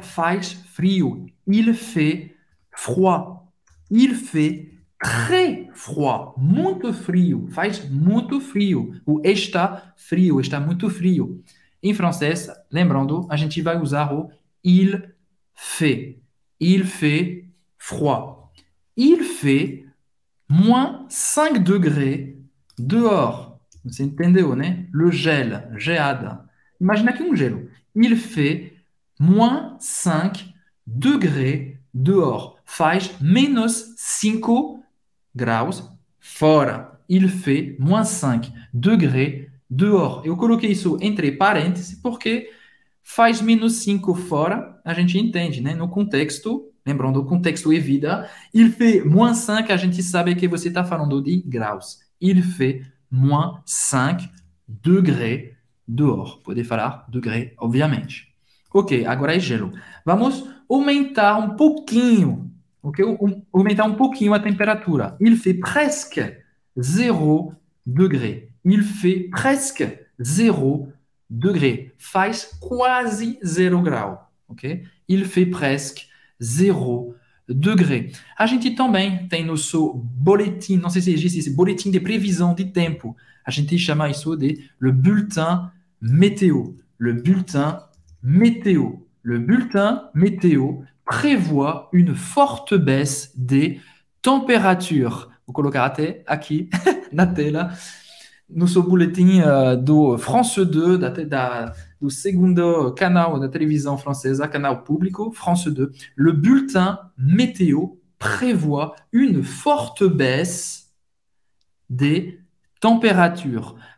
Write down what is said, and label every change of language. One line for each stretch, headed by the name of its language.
Portuguese: Faz frio.
French: Il fait froid. Il fait très froid.
Portuguese: Muito frio. Faz muito frio. O está frio. Está muito frio. Em francês, lembrando, a gente vai usar o il fait.
French: Il fait froid. Il fait moins 5 degrés dehors.
Portuguese: Você entendeu, né? Le gel, geada. Imagina aqui um gelo.
French: Il fait moins 5 degrés dehors.
Portuguese: Faz menos 5 graus fora.
French: Il fait moins 5 degrés dehors.
Portuguese: Eu coloquei isso entre parênteses porque faz menos 5 fora, a gente entende, né? No contexto, lembrando, o contexto é vida.
French: Il fait moins 5,
Portuguese: a gente sabe que você está falando de graus.
French: Il fait moins 5 degrés dehors.
Portuguese: Poder falar degré, obviamente. Ok, agora é gelo. Vamos aumentar um pouquinho.
French: Ou mettez un pouquinho à température. Il fait presque 0 degré. Il fait presque 0 degré.
Portuguese: Faz quasi 0 grau. Okay?
French: Il fait presque 0 degré.
Portuguese: A gente também tem nosso boletim, não sei se existe esse boletim de previsão de tempo. A gente chama isso de le bulletin météo.
French: Le bulletin météo. Le bulletin météo prévoit une forte baisse des températures.
Portuguese: Vous colocar até aqui, na tela, nosso boletim do France 2, do segundo canal da televisão francesa, canal público, France 2.
French: Le bulletin météo prévoit une forte baisse des températures.